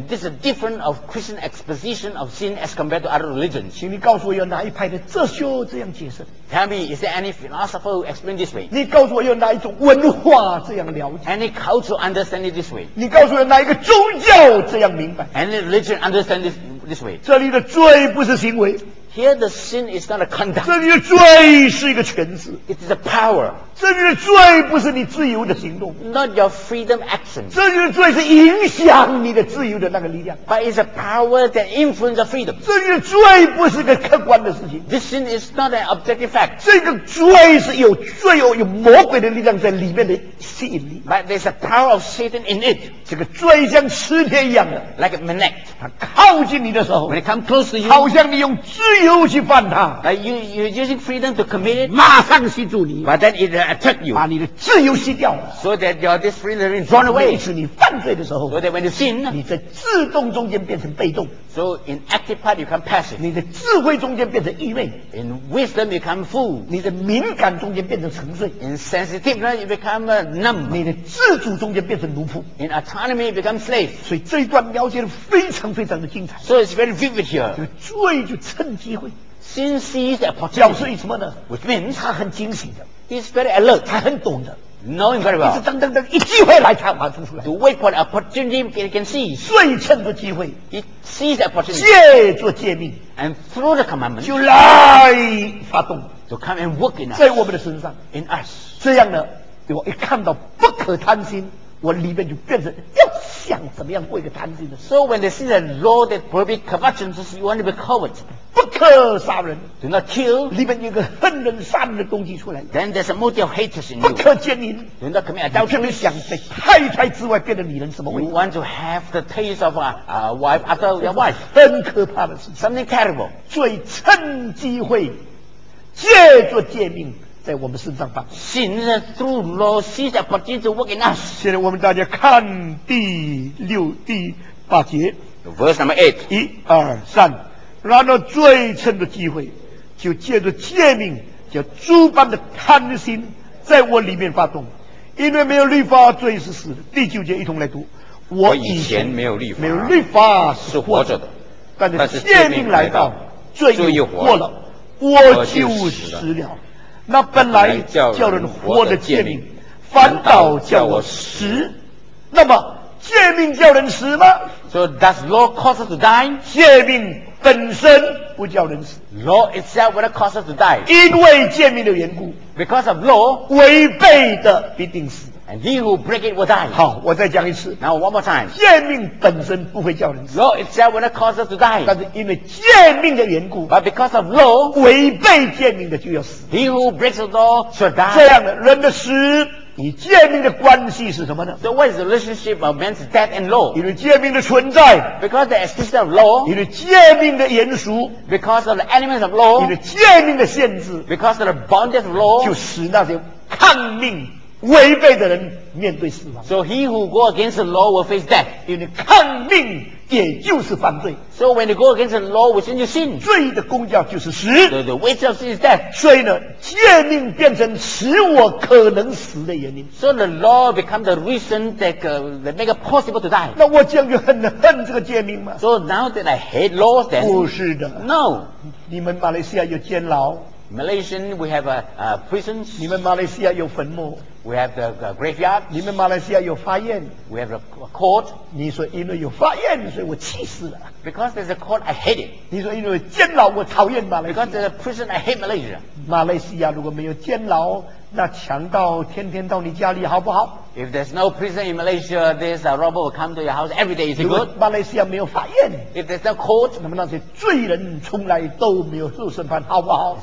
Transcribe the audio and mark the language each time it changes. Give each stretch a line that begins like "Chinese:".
English: And this is different of Christian exposition of sin as compared to other religions.
Chinese: 请你告诉我有哪一派的哲学这样解释。
English: Tell me, is there any philosopher who explains this way?
Chinese: 你告诉我有哪一种文化这样了解。
English: Any culture understand it this way?
Chinese: 你告诉我有哪一个宗教这样明白。
English: Any religion understand this way?
Chinese: 这里的罪不是行为。
English: Here the sin is not a conduct.
Chinese: 这里的罪是一个权势。
English: It is a power.
Chinese: 这里的罪不是你自由的行动。
English: Not your freedom action.
Chinese: 这里的罪是影响你的自由的那个力量。
English: But it's a power that influences freedom.
Chinese: 这里的罪不是个客观的事情。
English: This sin is not an objective fact.
Chinese: 这个罪是有罪恶、有魔鬼的力量在里面的吸引力。
English: But there's a power of Satan in it.
Chinese: 这个罪像磁铁一样的。
English: Like a magnet.
Chinese: 它靠近你的时候。
English: When it comes close to you.
Chinese: 好像你用自由又去犯他。
English: You're using freedom to commit it.
Chinese: 马上吸住你。
English: But then it attack you.
Chinese: 把你的自由吸掉了。
English: So that your this freedom is drawn away.
Chinese: 使你犯罪的时候。
English: So that when you sin,
Chinese: 你在自动中间变成被动。
English: So in active part you become passive.
Chinese: 你的智慧中间变成愚昧。
English: In wisdom you become fool.
Chinese: 你的敏感中间变成沉睡。
English: In sensitiveness you become numb.
Chinese: 你的自主中间变成奴仆。
English: In autonomy you become slave.
Chinese: 所以这一段描写的非常非常的精彩。
English: So it's very vivid here.
Chinese: 这个罪就趁机。
English: Sin sees the opportunity.
Chinese: 表示什么呢？
English: Which means
Chinese: 他很警醒的。
English: He's very alert.
Chinese: 他很懂的。
English: Knowing very well.
Chinese: 一直等等等，一机会来，他马上出来。
English: To wait for the opportunity, he can see.
Chinese: 最趁着机会。
English: He sees the opportunity.
Chinese: 借着诫命。
English: And through the commandment.
Chinese: 就来发动。
English: To come and work in us.
Chinese: 在我们的身上。
English: In us.
Chinese: 这样呢，我一看到不可贪心，我里面就变成要想怎么样过一个贪心的。
English: So when they see the law that prohibits covetousness, you want to be covet.
Chinese: 不可杀人
English: Do not kill
Chinese: 里面有个恨人杀人的动机出来
English: Then there's a motive of hatred in you
Chinese: 不可奸淫
English: Do not commit adultery
Chinese: 你想在太太之外变成女人什么味
English: You want to have the taste of a wife after your wife
Chinese: 很可怕的事
English: Something terrible
Chinese: 罪趁机会借着诫命在我们身上发
English: Sin through law sees the opportunity to work in us
Chinese: 现在我们大家看第六第八节
English: Verse number 8
Chinese: 一二三然而罪趁着机会就借着诫命叫诸般的贪心在我里面发动，因为没有律法罪是死的。第九节一同来读，我以前没有律法，没有律法是活着的，但是诫命来到，罪又活了，我就死了。那本来叫人活的诫命，反倒叫我死。那么诫命叫人死吗？
English: So does law cause us to die?
Chinese: 诫命本身不叫人死。
English: Law itself will cause us to die.
Chinese: 因为诫命的缘故，
English: Because of law,
Chinese: 违背的必定死。
English: And he who break it will die.
Chinese: 好，我再讲一次。
English: Now one more time.
Chinese: 诫命本身不会叫人死。
English: Law itself will cause us to die.
Chinese: 但是因为诫命的缘故，
English: But because of law,
Chinese: 违背诫命的就要死。
English: He who breaks the law shall die.
Chinese: 这样的人的死与诫命的关系是什么呢？
English: So what is the relationship of man's death and law?
Chinese: 因为诫命的存在，
English: Because the existence of law.
Chinese: 因为诫命的严肃，
English: Because of the elements of law.
Chinese: 因为诫命的限制，
English: Because of the boundaries of law.
Chinese: 就使那些抗命违背的人面对死亡。
English: So he who go against the law will face death.
Chinese: 因为抗命也就是犯罪。
English: So when you go against the law, which is sin,
Chinese: 罪的工价就是死。
English: The wage of sin is death.
Chinese: 所以呢，诫命变成使我可能死的原因。
English: So the law becomes the reason that make it possible to die.
Chinese: 那我这样就恨这个诫命吗？
English: So now that I hate laws, then
Chinese: 不是的。
English: No,
Chinese: 你们马来西亚有监牢。
English: Malaysian, we have a prisons.
Chinese: 你们马来西亚有坟墓。
English: We have the graveyard.
Chinese: 你们马来西亚有法院。
English: We have a court.
Chinese: 你说因为有法院，所以我气死了。
English: Because there's a court, I hate it.
Chinese: 你说因为监牢，我讨厌马来西亚。
English: Because there's a prison, I hate Malaysia.
Chinese: 马来西亚如果没有监牢，那强盗天天到你家里，好不好？
English: If there's no prison in Malaysia, this robber will come to your house every day. Is it good?
Chinese: 马来西亚没有法院。
English: If there's no court,
Chinese: 那么那些罪人从来都没有受审判，好不好？